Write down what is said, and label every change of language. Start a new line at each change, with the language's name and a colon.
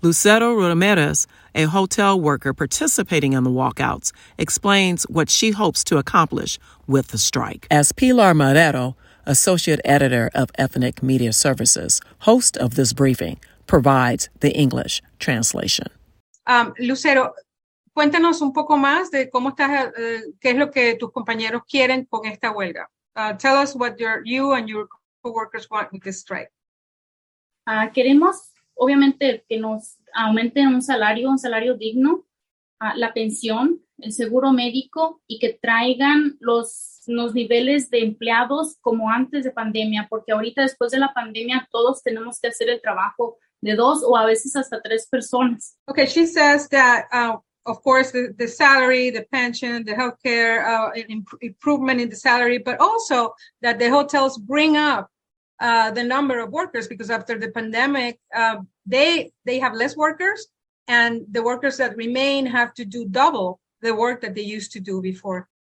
English: Lucero Ramirez, a hotel worker participating in the walkouts, explains what she hopes to accomplish with the strike. As Pilar Marrero, associate editor of Ethnic Media Services, host of this briefing, provides the English translation.
Spanish: Lucero, cuéntanos un poco más de cómo estás, qué es lo que tus compañeros quieren con esta huelga.
English: Tell us what you and your co-workers want with this strike.
Spanish: Queremos, obviamente, que nos aumenten un salario digno, la pensión, el seguro médico y que traigan los niveles de empleados como antes de pandemia, porque ahorita después de la pandemia todos tenemos que hacer el trabajo de dos o a veces hasta tres personas.
English: Okay, she says that, of course, the salary, the pension, the healthcare, improvement in the salary, but also that the hotels bring up the number of workers, because after the pandemic, they have less workers, and the workers that remain have to do double the work that they used to do before.